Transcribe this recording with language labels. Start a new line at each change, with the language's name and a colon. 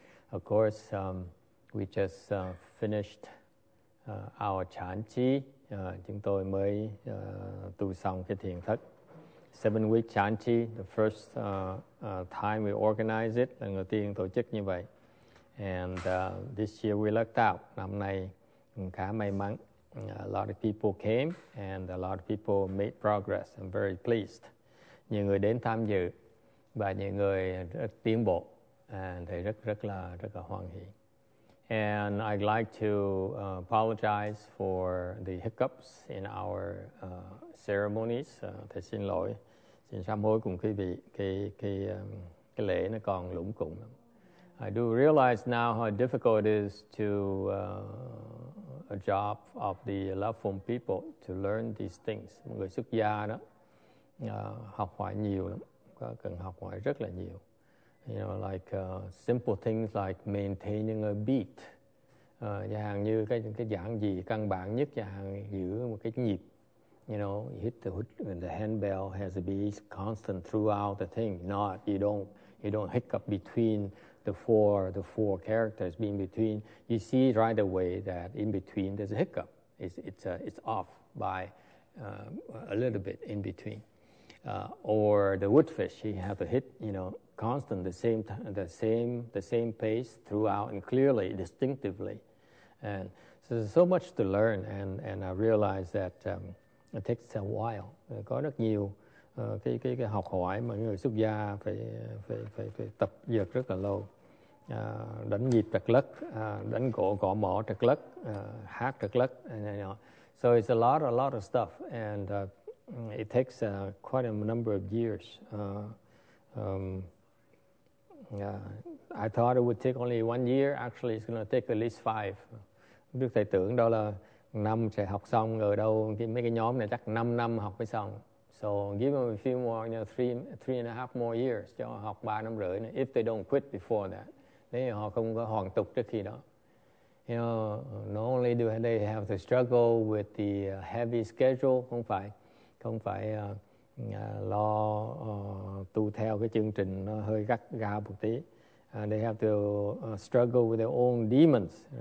English: Of course, we just finished our chan chi.
Vietnamese: Chúng tôi mới tu xong cái thiền thất 7-week chan chi,
English: the first time we organized it,
Vietnamese: lần đầu tiên tổ chức như vậy.
English: And this year we lucked out.
Vietnamese: Năm nay khá may mắn.
English: A lot of people came and a lot of people made progress. I'm very pleased.
Vietnamese: Nhiều người đến tham dự và nhiều người rất tiến bộ. And thì rất là hoan hỷ.
English: And I'd like to apologize for the hiccups in our ceremonies.
Vietnamese: Thầy xin lỗi, xin sám hối cùng quý vị, cái lễ nó còn lủng củng.
English: I do realize now how difficult it is to a job of the loved one people to learn these things.
Vietnamese: Một người xuất gia đó học hỏi nhiều lắm, cần học hỏi rất là nhiều.
English: You know, like simple things like maintaining a beat. Chẳng hạn như cái dạng gì căn bản nhất, chẳng hạn giữ một cái nhịp. You know, you hit the handbell has to be constant throughout the thing. Not you don't hiccup between the four characters. In between, you see right away that in between there's a hiccup. It's off by a little bit in between. Or the woodfish, he have to hit, you know, constant the same pace throughout and clearly, distinctively. And so there's so much to learn, and I realize that it takes a while.
Vietnamese: Có rất nhiều cái học hỏi mà người xuất gia phải tập dượt rất là lâu. Đánh nhịp trật lất, đánh gõ mỏ trật lất, hát trật lất.
English: So it's a lot of stuff, and it takes quite a number of years. I thought it would take only 1 year. Actually, it's going to take at least 5.
Vietnamese: Đức thầy tưởng đó là năm sẽ học xong, ngờ đâu mấy cái nhóm này chắc 5 năm học mới xong.
English: So give them a few more, you know, three and a half more years.
Vietnamese: Cho học 3 năm rưỡi nữa,
English: if they don't quit before that.
Vietnamese: Nếu họ không có hoàn tục trước khi đó.
English: You know, not only do they have to struggle with the heavy schedule,
Vietnamese: không phải lo tu theo cái chương trình nó hơi gắt gao một tí.
English: They have to struggle with their own demons.